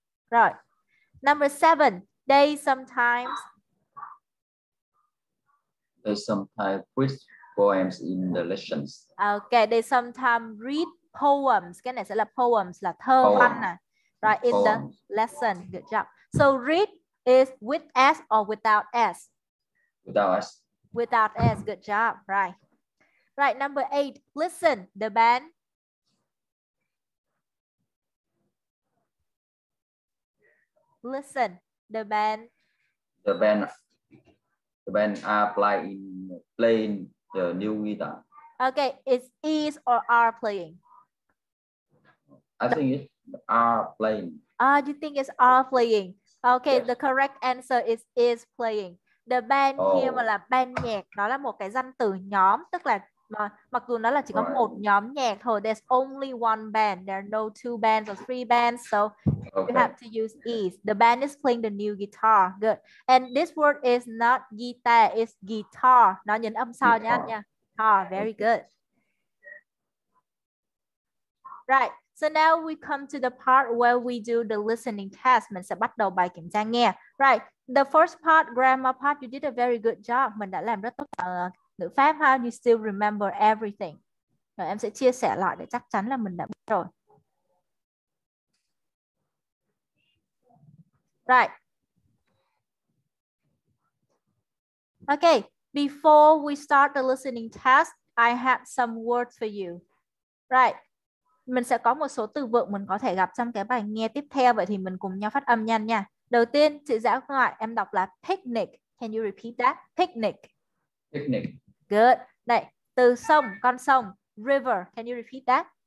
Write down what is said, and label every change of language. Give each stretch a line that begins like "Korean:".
English: Rồi. Number 7, day sometimes. There's sometimes quiz poems in the lessons. Okay, they sometimes read poems.
Vietnamese: Cái này sẽ là poems là thơ văn nè.
English: Right, in the lesson. Good job. So read is with s or without s? Without s. Without s. Good job. Right. Right, number 8, listen the band. Listen, the band. The band are playing the new guitar. Okay, it's is or are playing? I think it's are playing. Ah, you think it's are playing? Okay, yes. The correct answer is playing. The band here
Vietnamese: mà là ban nhạc, đó là một cái danh từ nhóm, tức là mặc dù nó là chỉ có right. một nhóm nhạc thôi.
English: There's only one band. There are no two bands or three bands. So okay. You have to use is. The band is playing the new guitar. Good. And this word is not guitar. It's guitar.
Vietnamese: Nó nhấn âm sao nha.
English: Guitar. Very good. Right. So now we come to the part where we do the listening test.
Vietnamese: Mình sẽ bắt đầu bài kiểm tra nghe.
English: Right. The first part, grammar part, you did a very good job.
Vietnamese: Mình đã làm rất tốt ngữ pháp ha.
English: You still remember everything.
Vietnamese: Rồi em sẽ chia sẻ lại để chắc chắn là mình đã biết rồi.
English: Right. Okay, before we start the listening test, I have some words for you. Right.
Vietnamese: Mình sẽ có một số từ vựng mình có thể gặp trong cái bài nghe tiếp theo, vậy thì mình cùng nhau phát âm nhanh nha. Đầu tiên, chữ dã ngoại em đọc là picnic.
English: Can you repeat that? Picnic. Picnic. Good.
Vietnamese: Này, từ sông, con sông, river.
English: Can you repeat that?